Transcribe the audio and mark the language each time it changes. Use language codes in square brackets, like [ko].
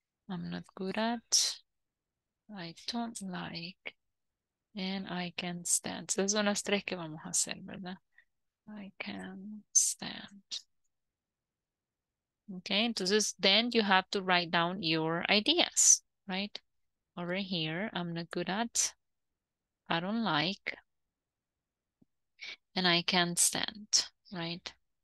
[en] I'm not good at, I don't like, and I can't stand. [es] Esas son las tres que vamos a hacer, ¿verdad? [en] I can't stand. Okay, entonces, then you have to write down your ideas, right? Over here, I'm not good at, I don't like, and I can't stand, right?